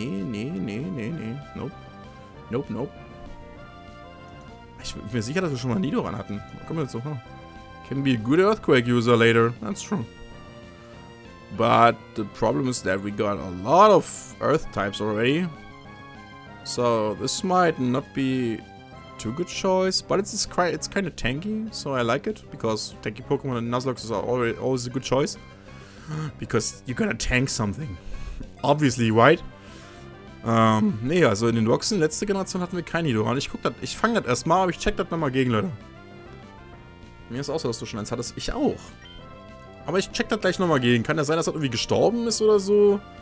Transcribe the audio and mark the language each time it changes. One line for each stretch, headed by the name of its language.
German: Nee. Nope. Ich bin mir sicher, dass wir schon mal Nidoran hatten. Kommen wir jetzt so.
English: Can be a good earthquake user later. That's true. But the problem is that we got a lot of earth types already. So this might not be too good choice, but it's kind of tanky, so I like it, because tanky Pokemon and Nuzlocke are always a good choice, because you're gonna tank something, obviously, right?
German: Nee, also in den Boxen letzte Generation hatten wir kein Nidoran. Ich fange das erstmal, aber ich check das nochmal gegen, Leute. Mir ist auch so, dass du schon eins hattest, ich auch. Aber ich check das gleich nochmal gegen, kann ja sein, dass das irgendwie gestorben ist oder so.